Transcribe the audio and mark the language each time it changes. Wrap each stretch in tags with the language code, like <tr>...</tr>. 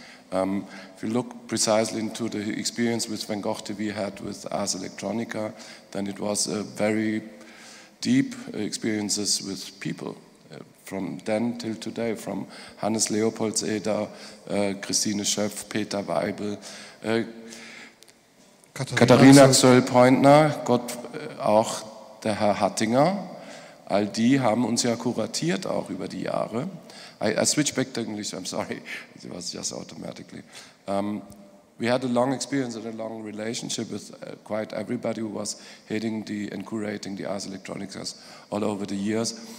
<en>If you look precisely into the experience with Van Gogh TV had with Ars Electronica, then it was a very deep experiences with people from then till today, from Hannes Leopoldseder, Christine Schöpf, Peter Weibel, Katharina Xöll-Pointner,</en> <de>Gott, auch der Herr Hattinger. All die haben uns ja kuratiert auch über die Jahre.</de> <en>I switch back to English, I'm sorry, it was just automatically. We had a long experience and a long relationship with quite everybody who was heading the and curating the Ars Electronica all over the years.</en>